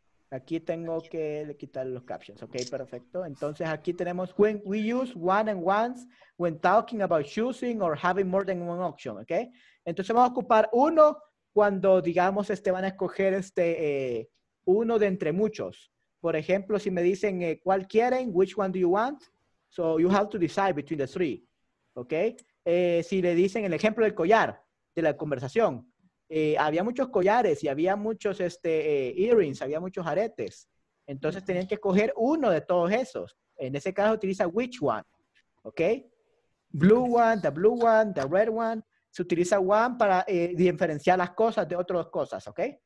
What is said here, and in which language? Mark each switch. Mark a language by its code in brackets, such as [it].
[es] Aquí tengo que quitar los captions. Okay, perfecto. Entonces aquí tenemos [en] when we use one and ones when talking about choosing or having more than one option. Okay. [es] Entonces vamos a ocupar uno cuando, digamos, van a escoger uno de entre muchos. Por ejemplo, si me dicen, ¿cuál quieren? [en] Which one do you want? So you have to decide between the three. Okay. [es] Si le dicen el ejemplo del collar, de la conversación. Había muchos collares y había muchos earrings, había muchos aretes. Entonces tenían que escoger uno de todos esos. En ese caso utiliza which one. Okay. [en] Blue one, the red one. [es] Se utiliza one para diferenciar las cosas de otras cosas, ¿ok?